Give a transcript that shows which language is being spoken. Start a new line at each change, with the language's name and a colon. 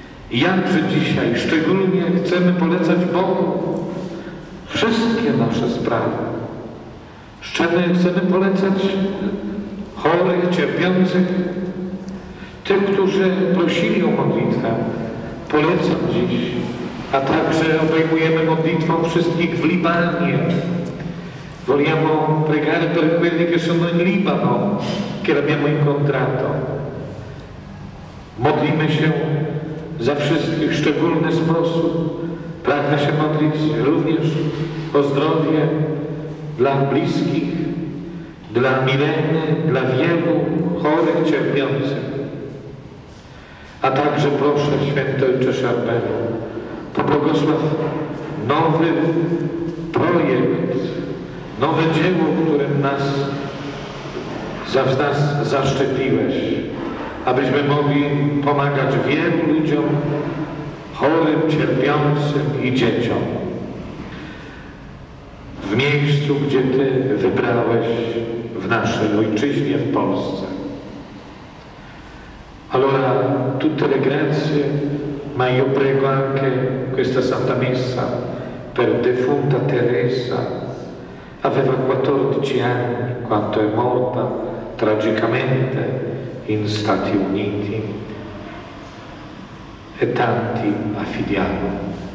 Polish: Jakże dzisiaj szczególnie chcemy polecać Bogu wszystkie nasze sprawy. Chcemy polecać chorych, cierpiących, tych, którzy prosili o modlitwę, polecam dziś, a także obejmujemy modlitwą wszystkich w Libanie.
Italian: Vogliamo pregare per quelli che sono in Libano, che l'abbiamo incontrato.
Polish: Modlimy się za wszystkich w szczególny sposób. Pragnę się modlić również o zdrowie dla bliskich, dla Mileny, dla wielu chorych, cierpiących. A także proszę, Święty Ojcze Charbel, pobłogosław nowy projekt, nowe dzieło, którym nas, nas zaszczepiłeś, abyśmy mogli pomagać wielu ludziom, chorym, cierpiącym i dzieciom. W miejscu, gdzie Ty wybrałeś, w naszej ojczyźnie, w Polsce.
Italian: Allora, tutte le grazie, ma io prego anche questa Santa Messa per defunta Teresa. Aveva 14 anni quando è morta tragicamente in Stati Uniti e tanti affidiamo.